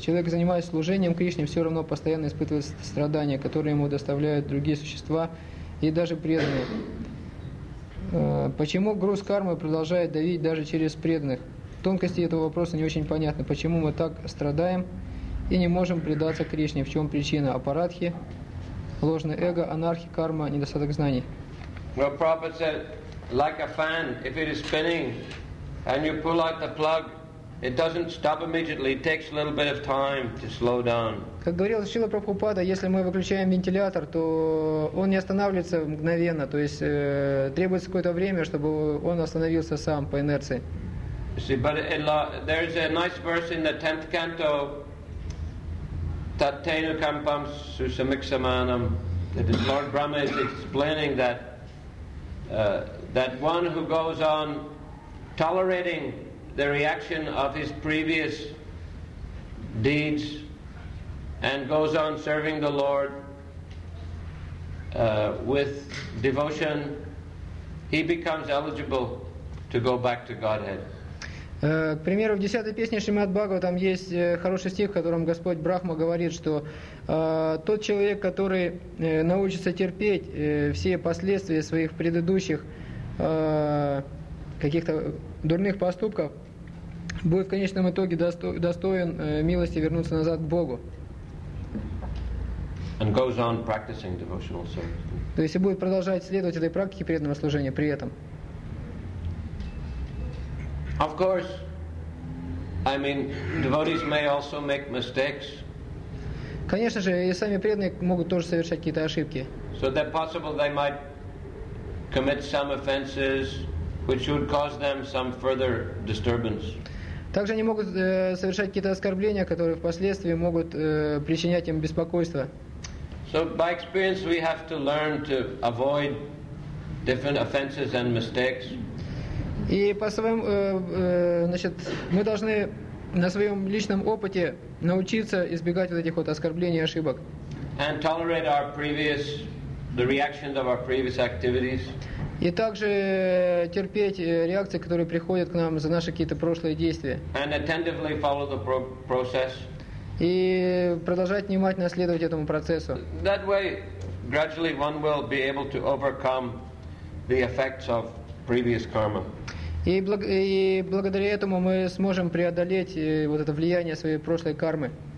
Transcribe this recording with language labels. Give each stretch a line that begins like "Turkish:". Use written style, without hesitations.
Russian: Человек, занимаясь служением Кришне, все равно постоянно испытывает страдания, которые ему доставляют другие существа и даже преданные. Почему груз кармы продолжает давить даже через преданных? Тонкости этого вопроса не очень понятны. Почему мы так страдаем и не можем предаться Кришне? В чем причина? Апарадхи, ложное эго, анархия, карма, недостаток знаний.
English: Well, Prabhupada said, like a fan, if it is spinning and you pull out the plug, it doesn't stop immediately, it takes a little bit of time to slow down.
Russian: Как говорил Шрила Прабхупада, если мы выключаем вентилятор, то он не останавливается мгновенно, то есть требуется какое-то время, чтобы он остановился сам по инерции.
English: You see, but there is a nice verse in the 10th canto,
Sanskrit: Tattenu Kampam Susamiksamanam.
English: That is, Lord Brahma is explaining that that one who goes on tolerating the reaction of his previous deeds and goes on serving the Lord with devotion, he becomes eligible to go back to Godhead.
Russian: К примеру, в 10-й песне Шримад Бхагава там есть хороший стих, в котором Господь Брахма говорит, что тот человек, который научится терпеть все последствия своих предыдущих каких-то дурных поступков, будет в конечном итоге достоин милости вернуться назад к Богу.
English: And goes on practicing devotional service.
Russian: То есть и будет продолжать следовать этой практике преданного служения при этом.
English: Of course, I mean, devotees may also make mistakes.
Russian: Конечно же, и сами преданные могут тоже совершать какие-то ошибки.
English: So that possible they might commit some offenses, which would cause them some further disturbance.
Russian: Также они могут совершать какие-то оскорбления, которые впоследствии могут причинять им беспокойство.
English: So by experience we have to learn to avoid different offenses and mistakes.
Russian: И по своему, значит, мы должны на своем личном опыте научиться избегать вот этих вот оскорблений и ошибок.
English: And tolerate our previous, the reactions of our previous activities.
Russian: И также терпеть реакции, которые приходят к нам за наши какие-то прошлые действия.
English: And attentively follow the process.
Russian: И продолжать внимательно следовать этому процессу.
English: That way, gradually one will be able to overcome the effects of previous karma.
Russian: И благодаря этому мы сможем преодолеть вот это влияние своей прошлой кармы.